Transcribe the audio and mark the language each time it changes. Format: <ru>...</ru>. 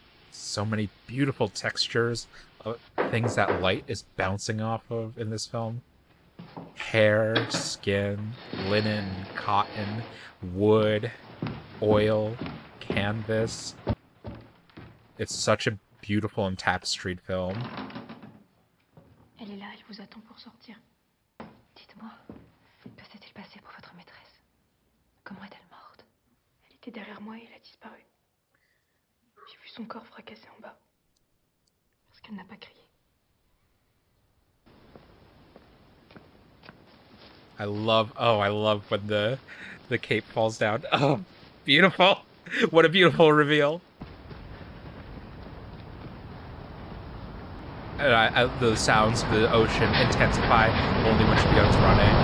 <en>So many beautiful textures of things that light is bouncing off of in this film. Hair, skin, linen, cotton, wood, oil, canvas. It's such a beautiful and tapestried film.</en> <fr>Elle est là, elle vous attend pour sortir. Dites-moi, que s'est-il passé pour votre maîtresse? Comment est-elle morte? Elle était derrière moi et elle a disparu. J'ai vu son corps fracassé en bas. Parce qu'elle n'a pas crié.</fr> <en>I love when the cape falls down. Oh, beautiful. What a beautiful reveal. And the sounds of the ocean intensify only when she begins running.</en>